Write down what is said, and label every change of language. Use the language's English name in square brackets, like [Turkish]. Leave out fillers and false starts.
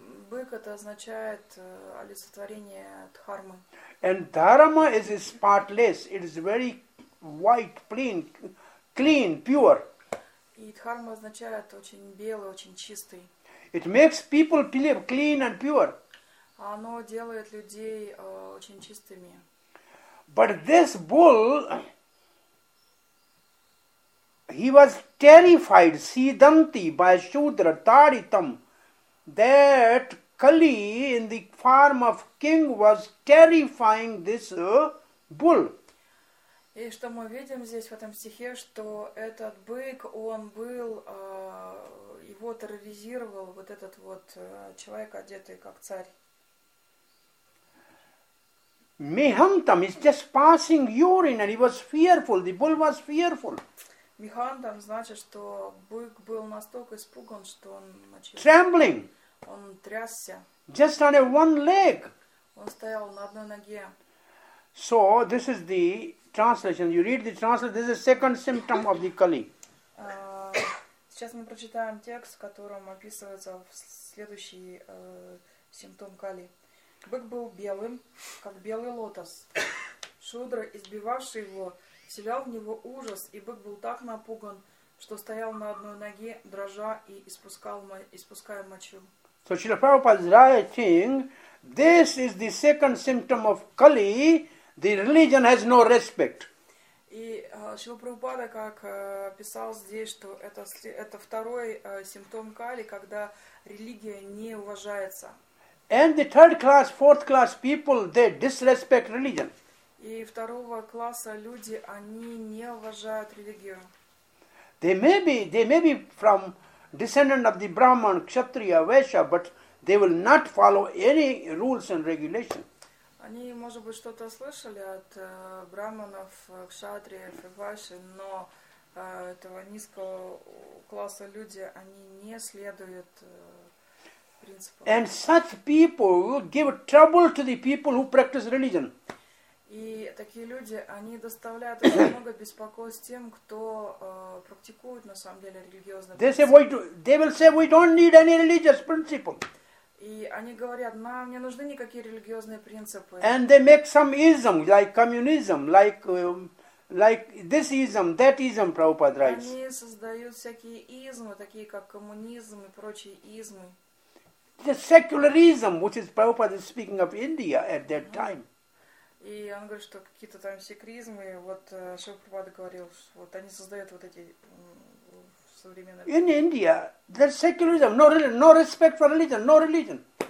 [Russian] Бык это означает олицетворение дхармы. [English] And dharma is spotless. It is very white, clean, clean, pure. [Russian] И дхарма означает очень белый, очень чистый. [English] It makes people clear, clean and pure. [Russian] Оно делает людей очень чистыми. [English] But this bull, he was terrified, sidanti, by shudra, taritam, that Kali, in the form of king, was terrifying this bull. [Russian] И что мы видим здесь в этом стихе, что этот бык, он был, его терроризировал вот этот вот человек, одетый как царь. [English] Mihantam is just passing urine, and he was fearful. The bull was fearful. [Russian] Mihantam значит, что бык был настолько испуган, что он начал. [English] Trembling. [Russian] Он трясся. [English] Just on a one leg. [Russian] Он стоял на одной ноге. [English] So this is the translation. You read the translation. This is the second symptom of the Kali. [Russian] Сейчас мы прочитаем текст, в котором описывается следующий симптом Кали. Бык был белым, как белый лотос. Шудра, избивавший его, вселял в него ужас, и бык был так напуган, что стоял на одной ноге, дрожа и испуская мочу. [English] So Srila Prabhupada is writing, this is the second symptom of Kali, the religion has no respect. [Russian] И Шрила Прабхупада как писал здесь, что это второй симптом Кали, когда религия не уважается. [English] And the third class, fourth class people, they disrespect religion. [Russian] И второго класса люди, они не уважают религию. [English] They may be from descendant of the Brahman, Kshatriya, Vaishya, but they will not follow any rules and regulations. [Russian] Они, может быть, что-то слышали от Брахманов, Кшатриев и Вайши, но этого низкого класса люди, они не следуют принципам. [English] And such people give trouble to the people who practice religion. [Russian] И такие люди, они доставляют очень много беспокойств тем, кто практикует на самом деле религиозные принципы. [English] They will say, we don't need any religious principle. [Russian] И они говорят, нам не нужны никакие религиозные принципы. [English] And they make some ism, like communism, like this ism, that ism, Prabhupada writes. [Russian] Они создают всякие измы, такие как коммунизм и прочие измы. [English] The secularism, which is Prabhupada speaking of India at that time. [Russian] И он говорит, что какие-то там секризмы, вот Шрила Прабхупада говорил, что вот они создают вот эти современные... [English] In India, there's secularism, no respect for religion, no religion.